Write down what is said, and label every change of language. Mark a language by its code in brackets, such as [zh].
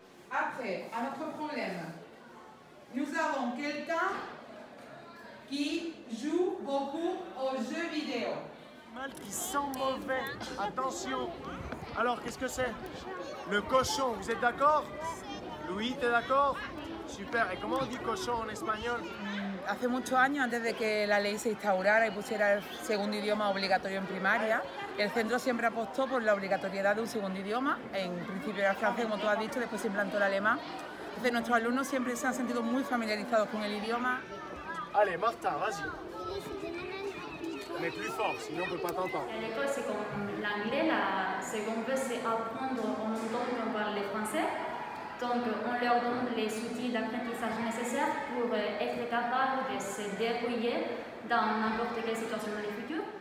[fr] parfait, à notre problème. Nous avons quelqu'un qui joue beaucoup aux jeux vidéo. Mal qui sent mauvais, attention. Alors, qu'est-ce que c'est? Le cochon, vous êtes d'accord? Louis, t'es d'accord? Super, et comment on dit cochon en espagnol? [es] Hace muchos años, antes de que la ley se instaurara y pusiera el segundo idioma obligatorio en primaria, el centro siempre apostó por la obligatoriedad de un segundo idioma. En principio era francés, como tú has dicho, después se implantó el alemán. Entonces, nuestros alumnos siempre se han sentido muy familiarizados con el idioma. [fr] Allez, Marta, vas-y. Mais plus fort, sinon on peut pas t'entendre. L'école, c'est comme l'anglais, là. Ce qu'on veut, c'est apprendre en même temps qu'on parle français. Donc, on leur donne les outils d'apprentissage nécessaires pour être capable de se débrouiller dans n'importe quelle situation dans le futur.